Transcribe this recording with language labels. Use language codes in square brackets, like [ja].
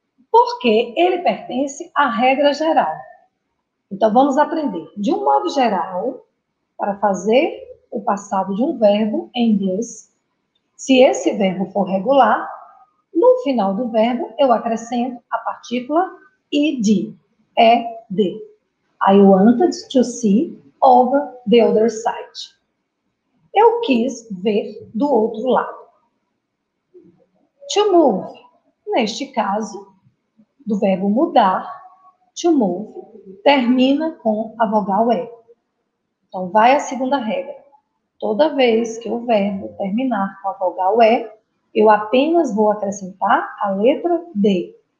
[pt] Porque ele pertence à regra geral. Então vamos aprender. De um modo geral, para fazer o passado de um verbo em inglês, se esse verbo for regular, no final do verbo eu acrescento a partícula ed, ed. [en] I wanted to see over the other side. [pt] Eu quis ver do outro lado. To move, Neste caso, do verbo mudar, to move, termina com a vogal E. Então, vai a segunda regra. Toda vez que o verbo terminar com a vogal E, eu apenas vou acrescentar a letra D.